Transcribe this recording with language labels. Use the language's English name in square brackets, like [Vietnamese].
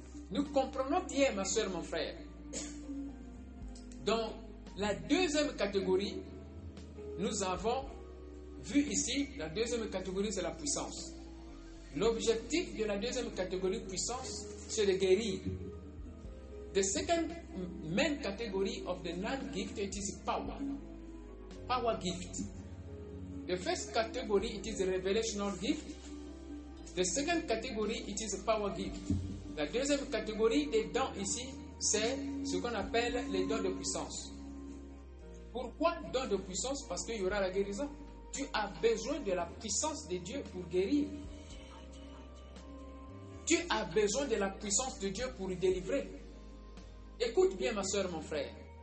[French] Nous comprenons bien, ma soeur, mon frère. Dans la deuxième catégorie, nous avons vu ici, la deuxième catégorie, c'est la puissance. L'objectif de la deuxième catégorie puissance, c'est de guérir. [English] The second main category of the ninth gift, it is power. Power gift. The first category, it is a revelational gift. The second category, it is a power gift. [French] La deuxième catégorie des dons ici, c'est ce qu'on appelle les dons de puissance. Pourquoi dons de puissance? Parce qu'il y aura la guérison. Tu as besoin de la puissance de Dieu pour guérir. Tu as besoin de la puissance de Dieu pour délivrer. Écoute bien, ma soeur, mon frère.